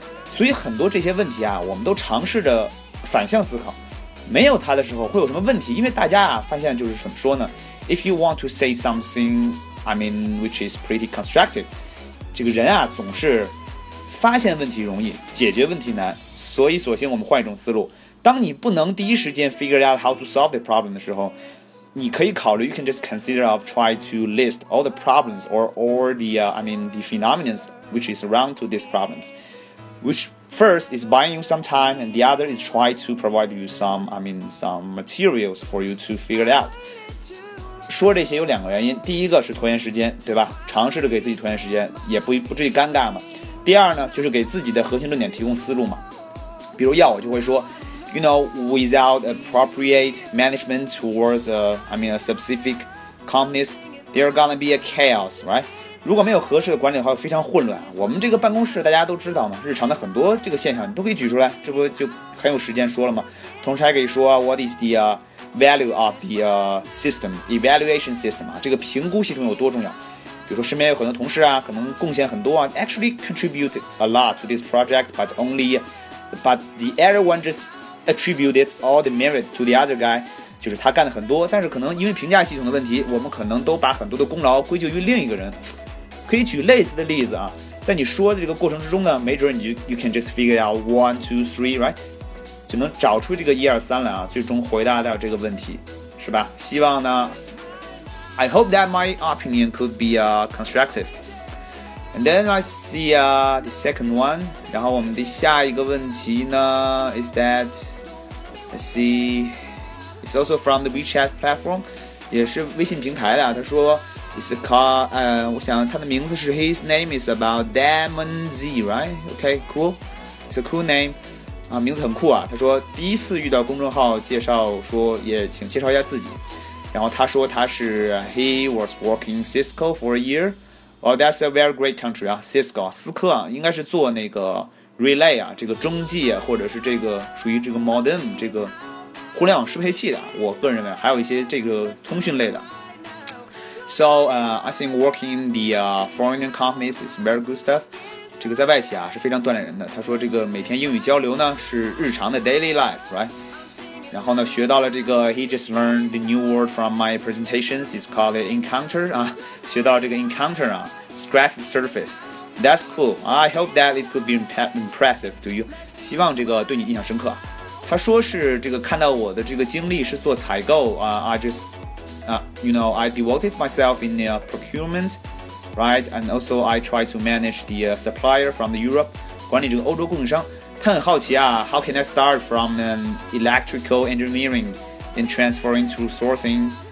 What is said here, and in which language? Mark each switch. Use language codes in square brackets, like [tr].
[zh] 所以很多这些问题啊，我们都尝试着反向思考，没有它的时候会有什么问题？因为大家啊发现就是怎么说呢 [en] ？If you want to say something, I mean, which is pretty constructive， [zh] 这个人啊总是。发现问题容易，解决问题难，所以索性我们换一种思路。当你不能第一时间 [en] figure out how to solve the problem [zh] 的时候，你可以考虑 [en] ，you can just consider of try to list all the problems or the phenomena which is around to these problems. Which first is buying you some time, and the other is try to provide you some materials for you to figure it out. [zh] 说这些有两个原因，第一个是拖延时间，对吧？尝试着给自己拖延时间，也不至于尴尬嘛。第二呢，就是给自己的核心论点提供思路嘛。比 [en] 比如要我就会说 You know, without appropriate management towards a specific companies, there gonna be a chaos, right? [zh] 如果没有合适的管理的话，非常混乱。我们这个办公室大家都知道嘛，日常的很多这个现象你都可以举出来，这不就很有时间说了吗？同时还可以说 [en] What is the value of the system evaluation system 啊？ [zh] 这个评估系统有多重要？比如说身边有很多同事啊，可能贡献很多啊 [en] ，actually contribute a lot to this project, but the everyone just attributed all the merit to the other guy. [zh] 就是他干了很多，但是可能因为评价系统的问题，我们可能都把很多的功劳归咎于另一个人。可以举类似的例子啊，在你说的这个过程之中呢，没准你 [en] can just figure out 1, 2, 3, right? [zh] 就能找出这个一二三来啊，最终回答到这个问题，是吧？希望呢 [en] ，I hope that my opinion could be constructive. And then I see the second one. [zh] 然后我们的下一个问题呢 [en] ，is that I see. It's also from the WeChat platform, [zh] 也是微信平台的。他说 [en] ，It's a call. [zh] 我想他的名字是 [en] His name is about Damon Z, right? Okay, cool. It's a cool name. 啊， [zh] 名字很酷啊。他说第一次遇到公众号介绍，说也请介绍一下自己。然后他说他是 [en] He was working Cisco for a year. Well, that's a very great country [zh] 啊 ，Cisco 斯科啊，应该是做那个 relay 啊，这个中继啊，或者是这个属于这个 modem 这个。互联网适配器的，我个人认为还有一些这个通讯类的。 [en] So, I think working in the foreign companies is very good stuff. [zh] 这个在外企啊是非常锻炼人的。他说这个每天英语交流呢是日常的 [en] daily life, right? [zh] 然后呢学到了这个 [en] he just learned the new word from my presentations. It's called encounter. 啊， [zh] 学到这个 [en] encounter 啊 scratch the surface. That's cool. I hope that it could be impressive to you. [zh] 希望这个对你印象深刻。他说是这个看到我的这个经历是做采购啊、 [en] I devoted myself in the procurement, right? And also I try to manage the supplier from the Europe, [zh] 管理这个欧洲供应商。 [en] 他很好奇啊 ，How can I start from an electrical engineering and transferring to sourcing?